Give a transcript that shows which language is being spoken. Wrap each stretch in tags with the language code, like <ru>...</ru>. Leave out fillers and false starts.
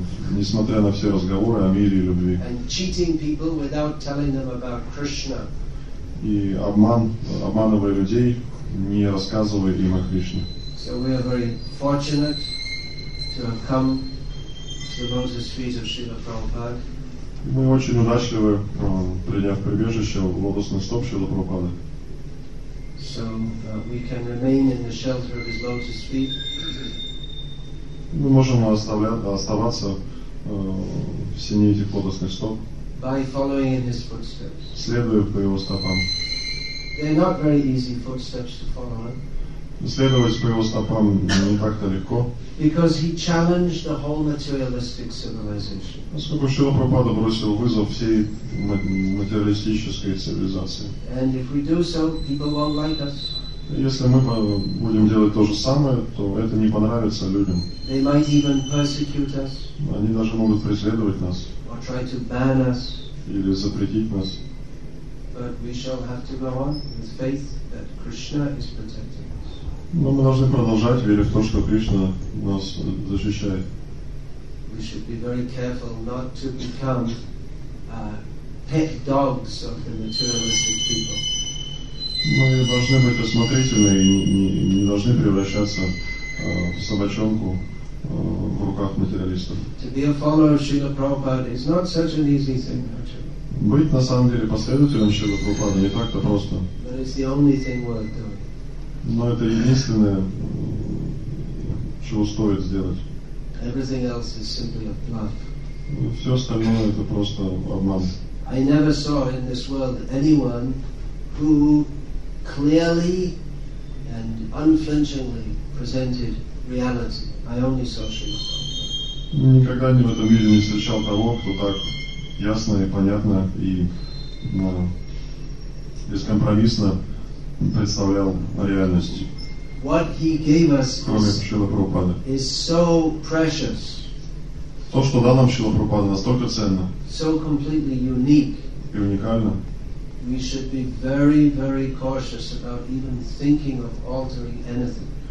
<ru>Несмотря на все разговоры о мире и любви.</ru> <en>And cheating people without telling them about Krishna.</en> <ru>И обманывая людей, не рассказывая им о Кришне.</ru> <en>So we are very fortunate to have come to the lotus feet of Srila Prabhupada.</en> <ru>Мы очень удачливы, приняв прибежище в лотосный стоп Шрилы Прабхупады.</ru> <en>So, we can remain in the shelter of his lotus feet.</en> <ru>Мы можем оставаться в сене этих лотосных стоп.</ru> <en>By following in his footsteps.</en> <ru>Следуя по его стопам.</ru> <en>They're not very easy footsteps to follow.</en> <ru>Следовать по его стопам не так-то легко.</ru> <en>Because he challenged the whole materialistic civilization.</en> <ru>Поскольку Шрила Прабхупада бросил вызов всей материалистической цивилизации.</ru> <en>And if we do so, people won't like us.</en> <ru>Если мы будем делать то же самое, то это не понравится людям.</ru> <en>They might even persecute us.</en> <ru>Они даже могут преследовать нас.</ru> <en>Or try to ban us.</en> <ru>Или запретить нас.</ru> <en>But we shall have to go on with faith that Krishna is protecting.</en> <ru>Но мы должны продолжать верить в то, что Кришна нас защищает.</ru> <en>We should be very careful not to become pet dogs of the materialistic people.</en> <ru>Мы должны быть осмотрительны и не должны превращаться в собачонку в руках материалистов.</ru> <en>To be a follower of Srila Prabhupada is not such an easy thing, actually.</en> <ru>Быть на самом деле последователем Шрилы Прабхупады не так-то просто.</ru> <en>But it's the only thing worth doing.</en> <ru>Но это единственное, чего стоит сделать.</ru> <en>Everything else is simply a bluff.</en> <ru>Все остальное это просто обман.</ru> <en>I never saw in this world anyone who clearly and unflinchingly presented reality. I only saw Srila Prabhupada.</en> <ru>Никогда в этом мире не встречал того, кто так ясно и понятно и бескомпромиссно представлял реальность.</ru> <en>What he gave us is so precious.</en> <ru>То, что дал нам Шрила Прабхупада, настолько ценно.</ru> <en>So completely unique.</en> <ru>И уникально.</ru> <en>We should be very, very cautious about even thinking of altering anything.</en>